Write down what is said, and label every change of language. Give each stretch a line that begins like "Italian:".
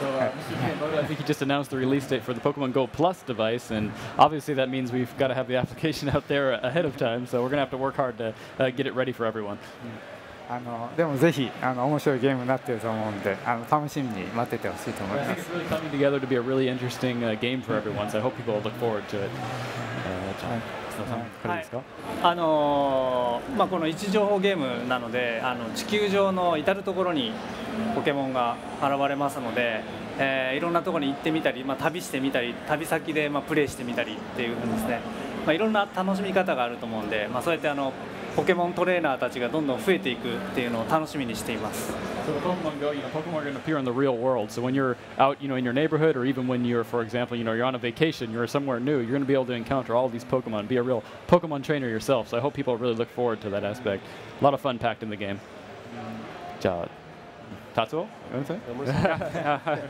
English: I think you just announced the release date for the Pokemon Go Plus device, and obviously that means we've got to have the application out there ahead of time, so we're going to have to work hard to get it ready for everyone.
Japanese: でもぜひ面白いゲームになっていると思うんで楽しみに待っててほしいと思います。
English: I think it's really coming together to be a really interesting game for everyone, so I hope people look forward to it.
Japanese: はい、まあ、この位置情報ゲームなので地球上の至る所にポケモンが現れますので、いろんなところに行ってみたり、まあ、旅してみたり旅先で、まあ、プレイしてみたりっていうんですね、まあ、いろんな楽しみ方があると思うんで、まあ、そうやってポケモントレーナーたちがどんどん増えていくっていうのを楽しみにしています。
English: Pokemon are going to appear in the real world. So when you're out, you know, in your neighborhood, or even when you're, for example, you know, you're on a vacation, you're somewhere new, you're going to be able to encounter all these Pokemon, be a real Pokemon trainer yourself. So I hope people really look forward to that aspect. A lot of fun packed in the game. じゃあ、Tatsuo, you want to say?